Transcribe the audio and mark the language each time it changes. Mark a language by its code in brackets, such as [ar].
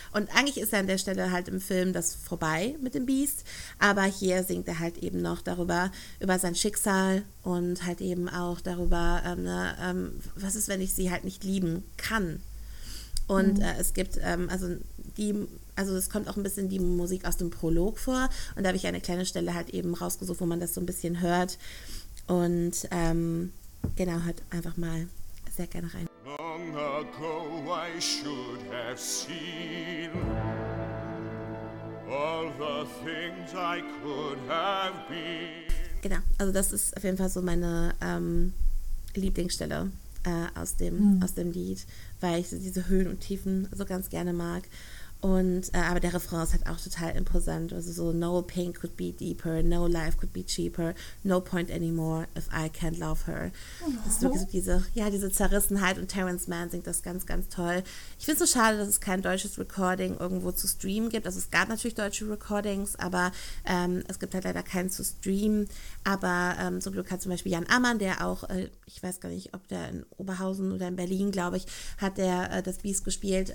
[de] Und eigentlich ist er an der Stelle halt im Film das vorbei mit dem Biest, aber hier singt er halt eben noch darüber, über sein Schicksal und halt eben auch darüber, was ist, wenn ich sie halt nicht lieben kann. Und es gibt, es kommt auch ein bisschen die Musik aus dem Prolog vor und da habe ich eine kleine Stelle halt eben rausgesucht, wo man das so ein bisschen hört. Und halt einfach mal sehr gerne rein. [en] Long ago I should have seen all the things I could have been. [de] Genau, also das ist auf jeden Fall so meine Lieblingsstelle aus dem Lied, weil ich so diese Höhen und Tiefen so ganz gerne mag. Und aber der Refrain ist halt auch total imposant. Also so, [en] no pain could be deeper, no life could be cheaper, no point anymore if I can't love her. Oh. [de] Das ist wirklich so diese Zerrissenheit und Terrence Mann singt das ganz, ganz toll. Ich finde es so schade, dass es kein deutsches Recording irgendwo zu streamen gibt. Also es gab natürlich deutsche Recordings, aber es gibt halt leider keinen zu streamen. Aber zum Glück hat zum Beispiel Jan Ammann, der auch, ich weiß gar nicht, ob der in Oberhausen oder in Berlin, glaube ich, hat der das Biest gespielt.